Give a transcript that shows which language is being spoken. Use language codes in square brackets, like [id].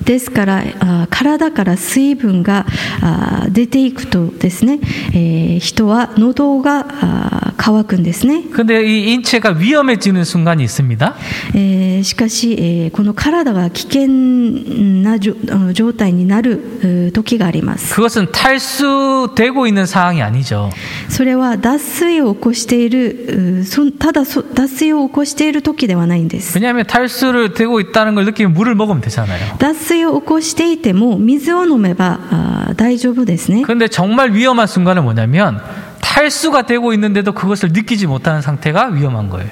[ja] ですから体から水分が出ていくとですね人は喉が乾くんですね [ko] 근데이인체가위험해지는순간이있습니다 [ja] しかしこの体が危険な状態になる時があります [ko] 그것은탈수되고있는상황이아닙니다 [ja] それは脱水を起こしているただ脱水を起こしている時ではないんです [ko] 왜냐하면탈수를되고있다는걸느끼면물을먹으면되잖아요 [ja] 脱水を起こしていても水を飲めば大丈夫ですね [ko] 근데정말위험한순간은뭐냐면탈수가되고있는데도그것을느끼지못하는상태가위험한거예요